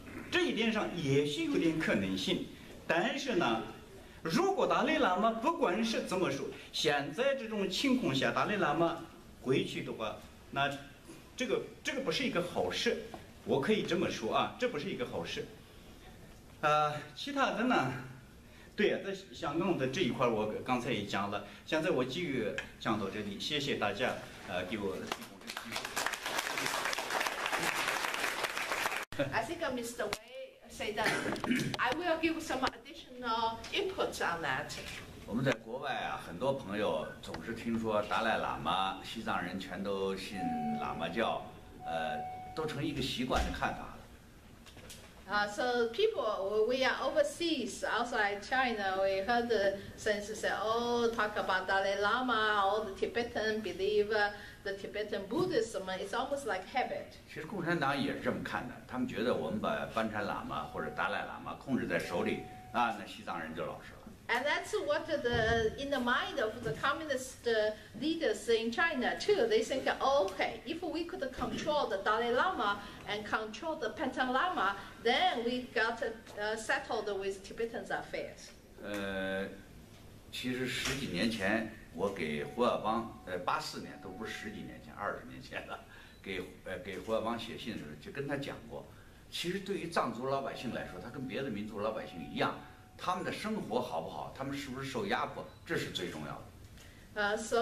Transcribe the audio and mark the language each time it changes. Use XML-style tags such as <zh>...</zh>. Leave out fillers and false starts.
<zh>这一点上也许有点可能性，但是呢，如果达赖喇嘛不管是怎么说，现在这种情况下达赖喇嘛回去的话，那这个不是一个好事，我可以这么说啊，这不是一个好事。其他的呢，对，在香港的这一块我刚才也讲了，现在我继续讲到这里，谢谢大家给我提供这个机会。</zh> <en>I think Mr. Wei said that I will give some additional inputs on that.</en> <zh>我们在国外啊，很多朋友总是听说达赖喇嘛，西藏人全都信喇嘛教，都成一个习惯的看法了。</zh> <en>So people, we are overseas, outside China, we heard since say, oh, talk about Dalai Lama, all the Tibetan believe. The Tibetan Buddhism is almost like habit.</en> <zh>其实共产党也是这么看的，他们觉得我们把班禅喇嘛或者达赖喇嘛控制在手里，那西藏人就老实了。</zh> <en>And that's what in the mind of the communist leaders in China too. They think, okay, if we could control the Dalai Lama and control the Panchen Lama, then we got settled with Tibetans' affairs.</en> <zh>其实十几年前。我给胡耀邦，84年都不是十几年前，20年前了，给胡耀邦写信的时候就跟他讲过，其实对于藏族老百姓来说，他跟别的民族老百姓一样，他们的生活好不好，他们是不是受压迫，这是最重要的。</zh>